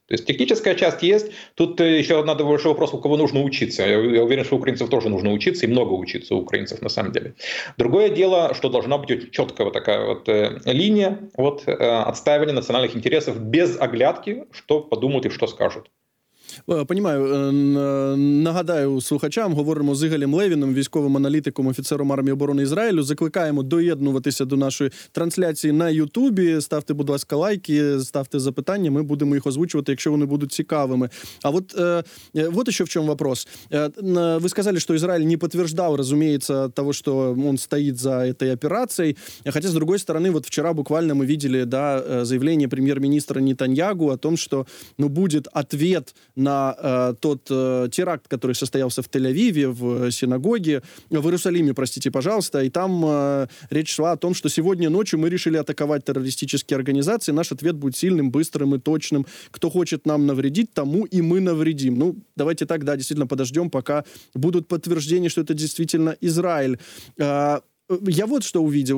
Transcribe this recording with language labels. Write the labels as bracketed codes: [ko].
[ru] То есть техническая часть есть. Тут еще надо большой вопрос, у кого нужно учиться. Я уверен, что у украинцев тоже нужно учиться, и много учиться у украинцев на самом деле. Другое дело, что должна быть очень четкая вот такая вот линия вот, отстаивания национальных интересов без оглядки, что подумают и что скажут. Понимаю. [uk] Нагадаю слухачам, говоримо з Ігорем Левіним, військовим аналітиком, офіцером армії оборони Ізраїлю. Закликаємо доєднуватися до нашої трансляції на Ютубі. Ставте, будь ласка, лайки, ставте запитання, ми будемо їх озвучувати, якщо вони будуть цікавими. А от, от ще в чому вопрос. Ви сказали, що Ізраїль не підтверждав, розуміється, того, що він стоїть за цією операцією. Хоча, з другої сторони, от вчора буквально ми бачили, да, заявлення прем'єр-міністра Нетаньягу [ru] о том, [uk] що, ну, буде відповідь [ru] на тот теракт, который состоялся в Тель-Авиве, в синагоге, в Иерусалиме, простите, пожалуйста, и там речь шла о том, что сегодня ночью мы решили атаковать террористические организации, наш ответ будет сильным, быстрым и точным. Кто хочет нам навредить, тому и мы навредим. Ну, давайте так, да, действительно подождем, пока будут подтверждения, что это действительно Израиль. Я вот что увидел.